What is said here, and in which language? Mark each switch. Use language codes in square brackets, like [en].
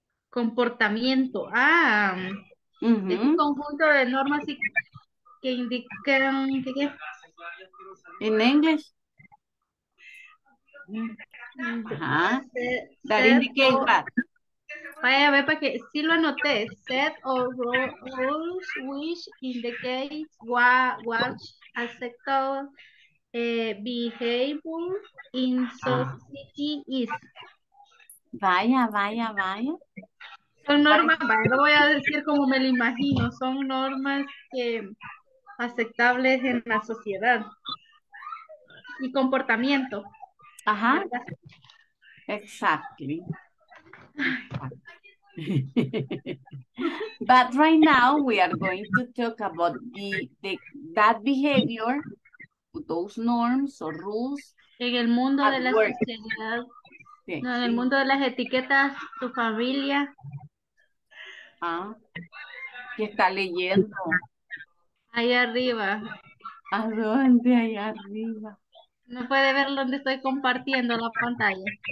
[es] Comportamiento. Ah. Uh-huh. Es un conjunto de normas que indican ¿qué? En inglés. Vaya, a ver, para que sí lo anoté. [en] Set or rules which indicate what acceptable behavior in society is. [es] Vaya. Son normas, lo voy a decir como me lo imagino, son normas que aceptables en la sociedad y comportamiento. [en] Ajá. Exactly. But right now we are going to talk about that behavior, those norms or rules. [es] En el mundo de la sociedad. Okay. No, en el mundo de las etiquetas, tu familia. Ah, ¿qué está leyendo? Ahí arriba. ¿A dónde? Ahí arriba. No puede ver dónde estoy compartiendo la pantalla.